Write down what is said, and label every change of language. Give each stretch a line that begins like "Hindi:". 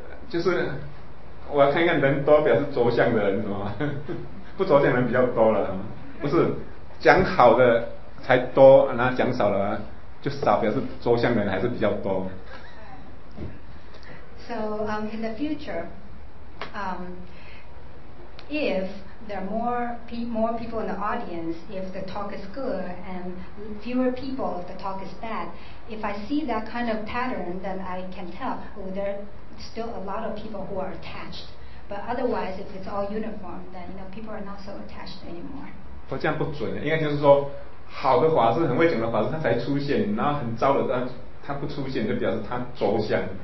Chinese: 就是我要看一看人多表示着相的人是吗？不着相的人比较多了，不是讲好的才多，然后讲少了就少，表示着相的人还是比较多。
English: So in the future, if there are more people in the audience, if the talk is good and fewer people if the talk is bad, if I see that kind of pattern, then I can tell whether still a lot of people who are attached. But otherwise, if it's all uniform, then you know, people are not so attached anymore.
Chinese: 这样不准，应该就是说，好的法师很会讲的法师他才出现，然后很糟的他不出现，就表示他走向。